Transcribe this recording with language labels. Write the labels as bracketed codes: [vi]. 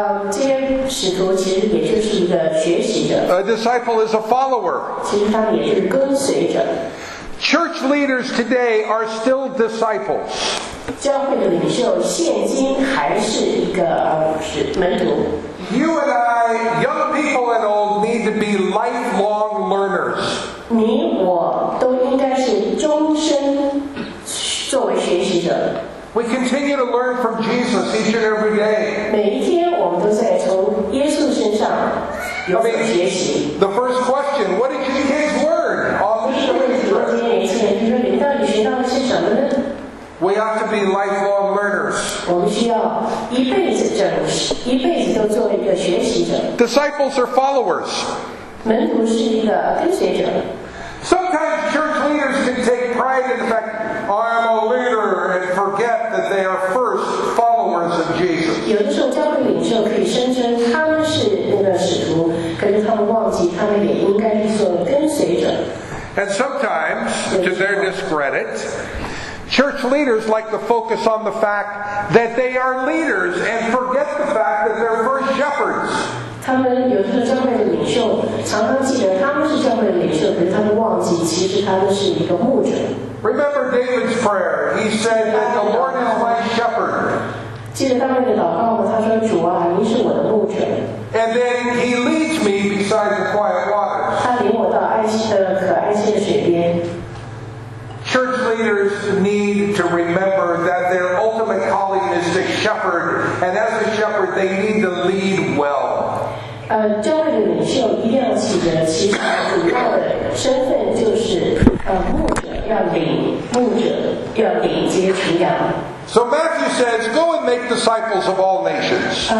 [zh] 这些使徒其实也就是一个学习者。 [en] A disciple is a follower. [zh] 其实他们也是跟随者。 [en] Church leaders today are still disciples. [zh] 教会的领袖现今还是一个门徒。 [en] You and I, young people and old, need to be lifelong learners. [zh] 你我都应该是终身作为学习者。 [en] We continue to learn from Jesus each and every day. [zh] 每一天我们都在从耶稣身上有所学习。 [en] The first question, what did you get his word? [zh] 第一个问题，你说你到底学到了些什么呢？ [en] We ought to be lifelong learners. [zh] 我们需要一辈子都做一个学习者。 [en] Disciples are followers. [zh] 门徒是一个跟随者。 [en] Sometimes church leaders can take pride in the fact I am a leader and forget that they are first followers of Jesus. [zh] 有的时候教会领袖可以声称他们是那个使徒，可是他们忘记他们也应该是做跟随者。 [en] And sometimes, to their discredit, church leaders like to focus on the fact that they are leaders and forget the fact that they're first shepherds. [zh] 他们有的时候教会的领袖常常记得他们是教会的领袖，可是他们忘记其实他们是一个牧者。 [en] Remember David's prayer. He said that the Lord is my shepherd. [zh] 记得大卫的祷告吗？他说：“主啊，您是我的牧者。” [en] And then he leads me beside the quiet waters. [zh] 他领我到可安息的水边。 [en] Church leaders need to remember that their ultimate calling is to shepherd, and as a shepherd, they need to lead well. [zh] 教会的领袖一定要记得，其实主要的身份就是牧者。要领牧者，要领这些群羊。 [en] So Matthew says, go and make disciples of all nations.